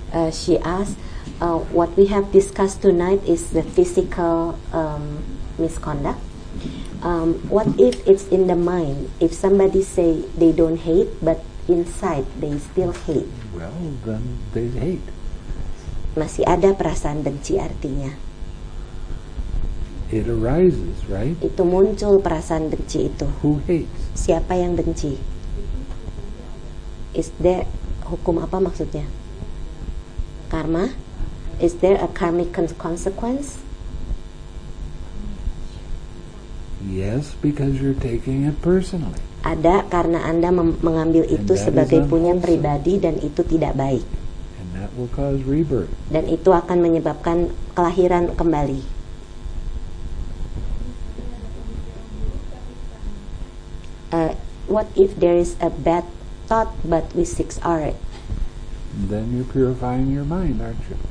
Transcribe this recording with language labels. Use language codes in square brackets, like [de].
[en] She asked, what we have discussed tonight is the physical misconduct. What if it's in the mind? If somebody say they don't hate, but inside they still hate. Well, then they hate. [id] Masih ada perasaan benci artinya. [en] It arises, right? [id] Itu muncul perasaan benci itu. [en] Who hates? [id] Siapa yang benci? [en] Is there [id] hukum apa maksudnya? Karma? [en] Is there a karmic consequence? Yes, because you're taking it personally. [id] Ada karena Anda mengambil itu sebagai punya pribadi dan itu tidak baik. [en] And that will cause rebirth. [id] Dan itu akan menyebabkan kelahiran kembali. [en] What if there is a bad thought but we six are it? Then you're purifying your mind, aren't you?